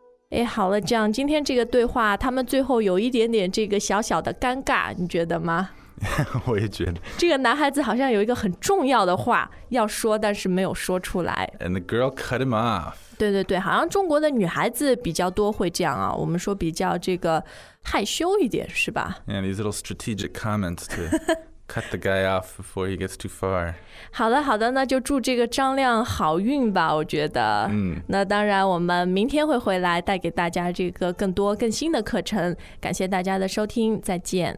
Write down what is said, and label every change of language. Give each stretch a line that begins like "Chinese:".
Chinese: 哎，好了，这样今天这个对话，他们最后有一点点这个小小的尴尬，你觉得吗？我也觉得这个男孩子好像有一个很重要的话要说但是没有说出来
English: And the girl cut him off
Chinese: 对对对好像中国的女孩子比较多会这样啊我们说比较这个害羞一点是吧
English: Yeah, these little strategic comments to cut the guy off before he gets too far
Chinese: 好的好的那就祝这个张亮好运吧我觉得、 mm. 那当然我们明天会回来带给大家这个更多更新的课程感谢大家的收听再见